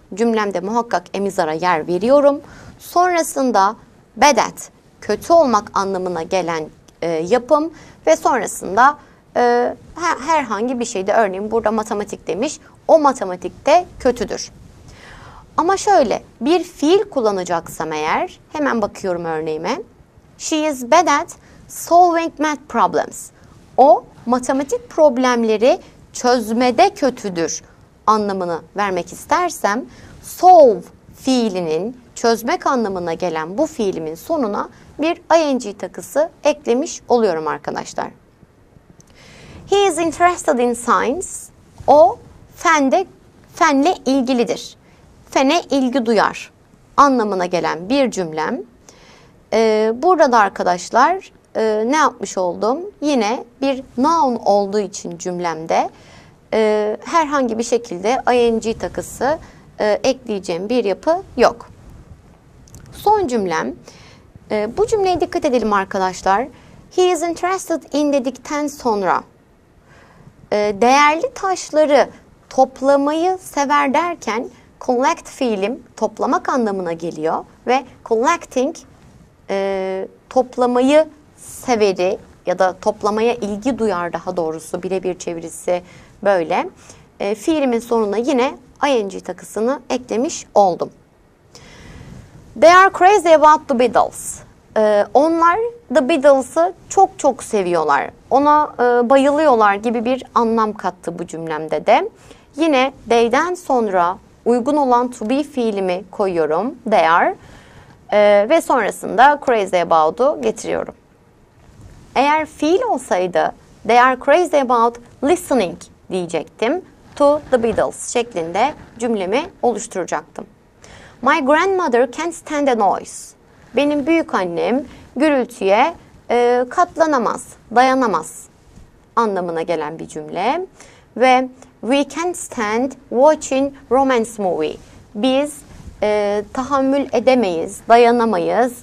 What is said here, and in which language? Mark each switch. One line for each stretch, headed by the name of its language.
Turkish: Cümlemde muhakkak emizara yer veriyorum. Sonrasında bad at, kötü olmak anlamına gelen yapım ve sonrasında herhangi bir şeyde, örneğin burada matematik demiş, o matematik de kötüdür. Ama şöyle bir fiil kullanacaksam eğer, hemen bakıyorum örneğime.
English: She is bad at solving math problems.
Turkish: O matematik problemleri çözmede kötüdür anlamını vermek istersem solve fiilinin çözmek anlamına gelen bu fiilimin sonuna bir ing takısı eklemiş oluyorum arkadaşlar.
English: He is interested in science.
Turkish: O fenle ilgilidir. Fene ilgi duyar anlamına gelen bir cümlem. Burada arkadaşlar ne yapmış oldum? Yine bir noun olduğu için cümlemde herhangi bir şekilde ing takısı ekleyeceğim bir yapı yok. Son cümlem. Bu cümleye dikkat edelim arkadaşlar.
English: He is interested in
Turkish: dedikten sonra değerli taşları toplamayı sever derken collect fiilim toplamak anlamına geliyor ve collecting toplamayı severi ya da toplamaya ilgi duyar, daha doğrusu birebir çevirisi böyle. Fiilimin sonuna yine ing takısını eklemiş oldum.
English: They are crazy about the Beatles.
Turkish: Onlar The Beatles'ı çok çok seviyorlar. Ona bayılıyorlar gibi bir anlam kattı bu cümlemde de. Yine they'den sonra uygun olan to be fiilimi koyuyorum.
English: They are.
Turkish: Ve sonrasında crazy about'u getiriyorum. Eğer fiil olsaydı
English: they are crazy about listening
Turkish: diyecektim.
English: To the Beatles
Turkish: şeklinde cümlemi oluşturacaktım.
English: My grandmother can't stand the noise.
Turkish: Benim büyük annem gürültüye katlanamaz, dayanamaz anlamına gelen bir cümle.
English: Ve we can't stand watching romance movie.
Turkish: Biz tahammül edemeyiz, dayanamayız.